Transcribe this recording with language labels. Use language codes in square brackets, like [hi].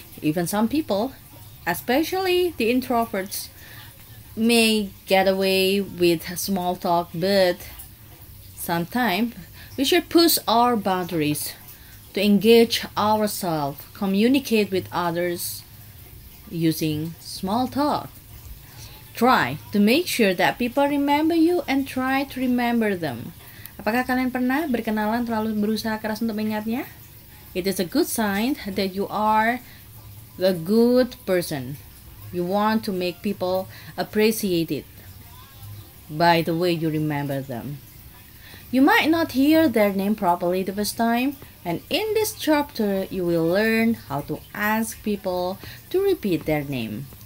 [en] Even some people, especially the introverts, may get away with small talk, but sometimes we should push our boundaries to engage ourselves, communicate with others using small talk. Try to make sure that people remember you and try to remember them. [id] Apakah kalian pernah berkenalan terlalu berusaha keras untuk mengingatnya? [en] It is a good sign that you are a good person. You want to make people appreciate it by the way you remember them. You might not hear their name properly the first time, and in this chapter, you will learn how to ask people to repeat their name.